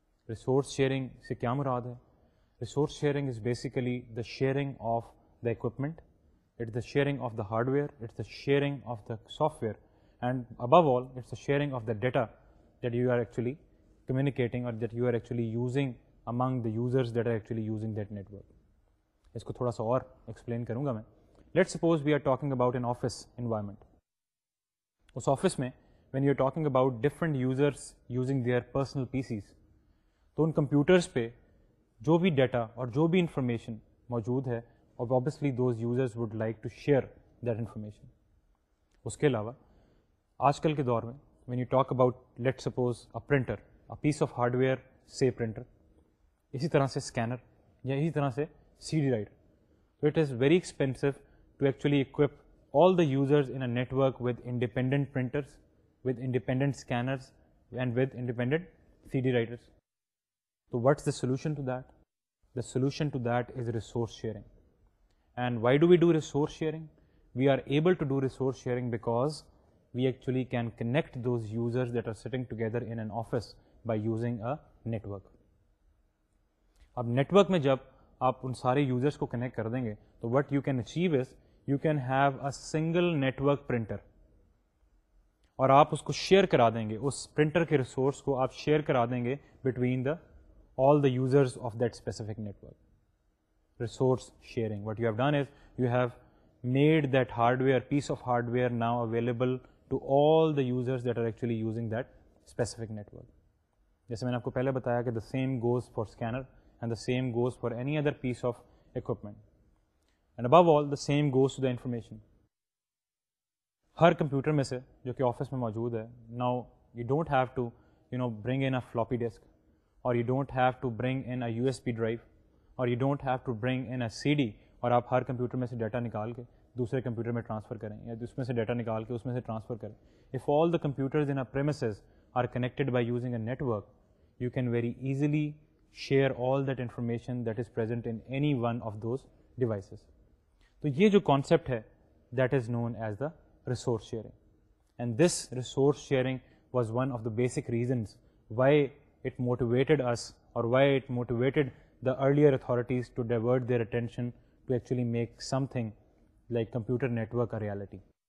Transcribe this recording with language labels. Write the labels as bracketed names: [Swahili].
[English] Resource sharing [Urdu] سے کیا مراد ہے؟ [English] Resource sharing is basically the sharing of the equipment, it the sharing of the hardware, it the sharing of the software, and above all it's the sharing of the data that you are actually communicating or that you are actually using among the users that are actually using that network. [Urdu] اس کو تھوڑا سا اور explain کروں گا میں. [English] Let suppose we are talking about an office environment. [Urdu] اس office میں [English] when you are talking about different users using their personal PCs, [Urdu] تو ان computers پہ جو بھی ڈیٹا اور جو بھی انفارمیشن موجود ہے, [English] اور obviously those users would like to share that information. [Urdu] اس کے علاوہ آج کل کے دور میں [English] when you talk about let suppose a printer, a piece of hardware سے printer, [Urdu] اسی طرح سے اسکینر یا اسی طرح سے [English] C D writer, تو it is very expensive to actually equip all the users in a network with independent printers, with independent scanners, and with independent C D writers. So what's the solution to that? The solution to that is resource sharing. And why do we do resource sharing? we are able to do resource sharing because we actually can connect those users that are sitting together in an office by using a network. [Urdu] Ab network mein jab aap un sare users ko connect kar denge, to [English] what you can achieve is you can have a single network printer. [Urdu] اور آپ اس کو share کرا دیں گے, اس printer کے resource کو آپ share کرا دیں گے [English] Between the all the users of that specific network. Resource sharing, what you have done is you have made that hardware, piece of hardware now available to all the users that are actually using that specific network. [Urdu] جیسے میں نے آپ کو پہلے بتایا کہ [English] The same goes for scanner and the same goes for any other piece of equipment and above all the same goes to the information. [Urdu] Hare computer میں سے جو کہ آفس میں موجود ہے, [English] now you don't have to you know bring in a floppy disk, or you don't have to bring in a U S B drive, or you don't have to bring in a C D, [Urdu] اور آپ ہر computer میں سے data نکال کے دوسرے computer میں ٹرانسفر کریں یا اس میں سے ڈیٹا نکال کے اس میں سے ٹرانسفر کریں. [English] If all the computers in a premises are connected by using a network, you can very easily share all that information that is present in any one of those devices. [Urdu] تو یہ جو concept ہے [English] That is known as the resource sharing, and this resource sharing was one of the basic reasons why it motivated us, or why it motivated the earlier authorities to divert their attention to actually make something like computer network a reality.